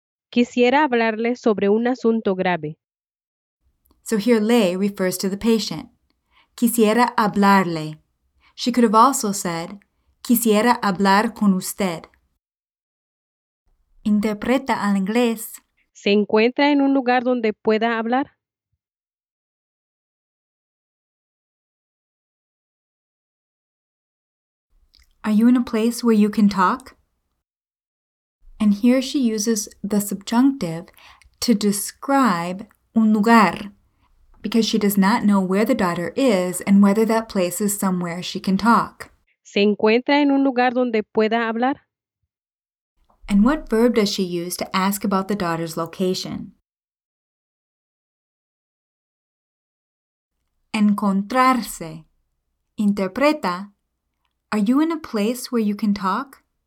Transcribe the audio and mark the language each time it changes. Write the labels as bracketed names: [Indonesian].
[Spanish] Quisiera hablarle sobre un asunto grave. [English] So here le refers to the patient. [Spanish] Quisiera hablarle. [English] She could have also said, [Spanish] quisiera hablar con usted. Interpreta al inglés. ¿Se encuentra en un lugar donde pueda hablar? [English] Are you in a place where you can talk? And here she uses the subjunctive to describe un lugar, because she does not know where the daughter is and whether that place is somewhere she can talk. [Spanish] ¿Se encuentra en un lugar donde pueda hablar? [English] And what verb does she use to ask about the daughter's location? [Spanish] Encontrarse. Interpreta. [English] Are you in a place where you can talk?